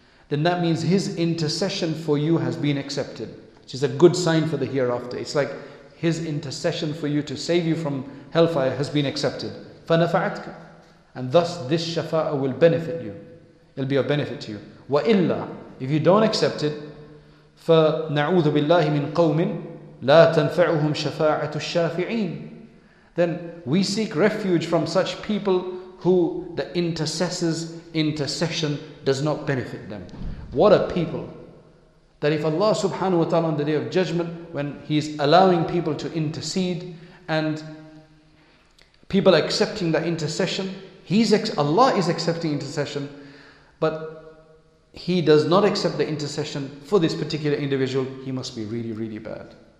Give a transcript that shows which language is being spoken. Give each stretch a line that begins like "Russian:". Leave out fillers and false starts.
English: Then that means his intercession for you has been accepted, which is a good sign for the hereafter. It's like his intercession for you to save you from hellfire has been accepted.
Arabic: فَنَفَعَتْكَ.
English: And thus this shafa'ah will benefit you. It'll be of benefit to you.
Arabic: وَإِلَّا.
English: If you don't accept it,
Arabic: فَنَعُوذُ بِاللَّهِ مِنْ قَوْمٍ لَا تَنْفَعُهُمْ شَفَاعَةُ الشَّافِعِينَ.
English: Then we seek refuge from such people who the intercessor's intercession does not benefit them. What a people. That if Allah subhanahu wa ta'ala on the day of judgment, when He is allowing people to intercede and people are accepting that intercession, Allah is accepting intercession, but He does not accept the intercession for this particular individual, he must be really, really bad.